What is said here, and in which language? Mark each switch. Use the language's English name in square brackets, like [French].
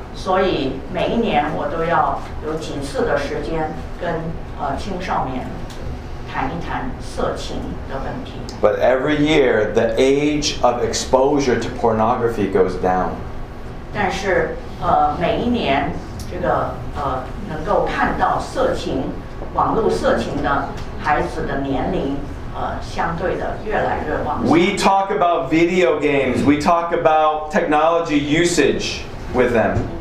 [Chinese] 所以每一年我都要有几次的时间跟青少年谈一谈色情的问题。 [English] But every year the age of exposure to pornography goes down. [Chinese] 但是每一年这个能够看到色情网络色情的孩子的年龄相对的越来越往上。 [English] We talk about video games. We talk about technology usage with them.